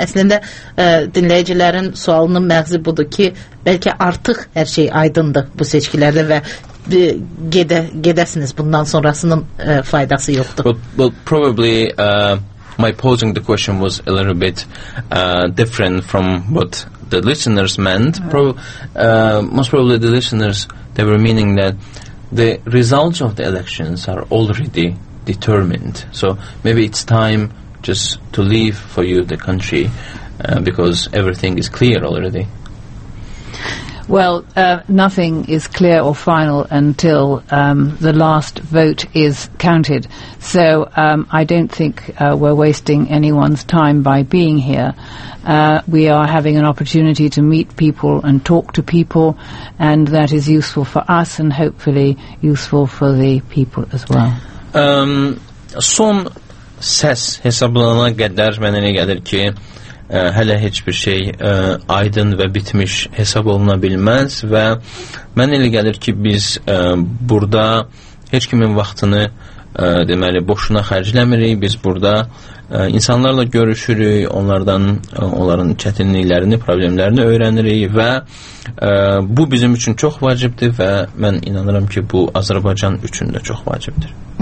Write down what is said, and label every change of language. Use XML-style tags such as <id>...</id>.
<az>Əslində dinləyicilərin sualının məğzi budur ki, bəlkə artıq hər şey aydındır bu seçkilərdə və gedəsiniz bundan sonrasının faydası yoxdur.</az> <en>But probably my posing the question was a little bit different from what the listeners meant. Most probably the listeners, they were meaning that the results of the elections are already determined. So maybe it's time just to leave for you the country because everything is clear already. Well, nothing is clear or final until the last vote is counted. So I don't think we're wasting anyone's time by being here. We are having an opportunity to meet people and talk to people, and that is useful for us and hopefully useful for the people as well.</en> <tr>Son ses hesablanana kadar</tr> <az>mənə elə gəlir ki, hələ heç bir şey aydın və bitmiş hesab oluna bilməz və mən elə gəlir ki, biz burada heç kimin vaxtını deməli, boşuna xərcləmirik, biz burada insanlarla görüşürük, onlardan onların çətinliklərini, problemlərini öyrənirik və bu bizim üçün çox vacibdir və mən inanıram ki, bu Azərbaycan üçün də çox vacibdir.</az>